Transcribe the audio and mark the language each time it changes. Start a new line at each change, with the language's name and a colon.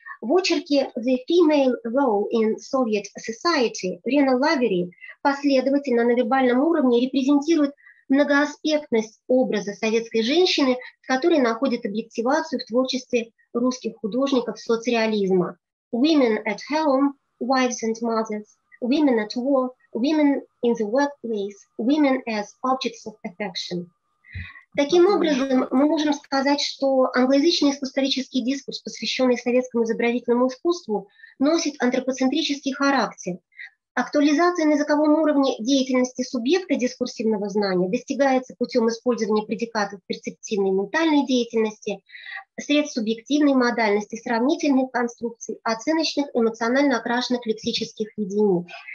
Russian: В очерке «The Female Role in Soviet Society» Рена Лавери последовательно на вербальном уровне репрезентирует многоаспектность образа советской женщины, которая находит объективацию в творчестве русских художников соцреализма.
English: «Women at home, wives and mothers, women at war, women in the workplace, women as objects of affection».
Russian: Таким образом, мы можем сказать, что англоязычный искусствоведческий дискурс, посвященный советскому изобразительному искусству, носит антропоцентрический характер. Актуализация на языковом уровне деятельности субъекта дискурсивного знания достигается путем использования предикатов перцептивной и ментальной деятельности, средств субъективной модальности, сравнительных конструкций, оценочных, эмоционально окрашенных лексических единиц.